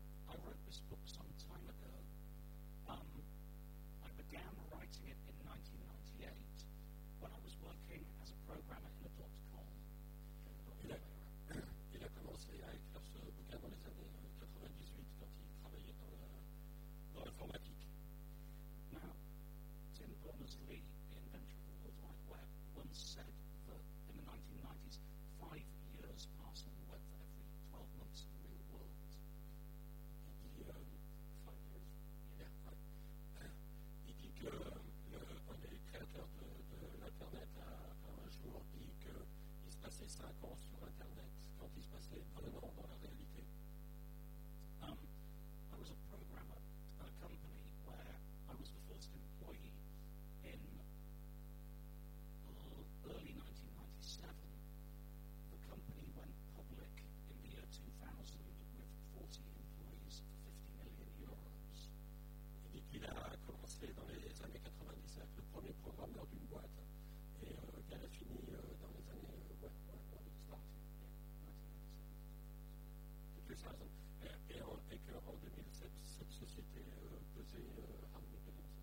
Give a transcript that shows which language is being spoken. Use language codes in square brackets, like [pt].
[en] I wrote this book some time ago. I began writing it in 1998 when I was working as a programmer in a .com. [fr] Il a commencé à écrire ce bouquin dans les années 98 quand il travaillait dans l'informatique. [en] Tim Berners-Lee, the inventor of the World Wide Web, once said that in the 1990s, 5 years passed on the web for every 12 months in the real world. [fr] Il dit que un des créateurs de l'Internet a un jour dit qu'il se passait 5 ans sur Internet quand il se passait 20 ans dans la réalité. [en] I was a programmer at a company where I was the first employee. In early 1997, the company went public in the year 2000 with 40 employees for €50 million. [fr] Et puis il a commencé dans les années 97, le premier programmeur d'une boîte, et qu'elle a fini dans les années et qu'en 2007, cette société pesait €1 million.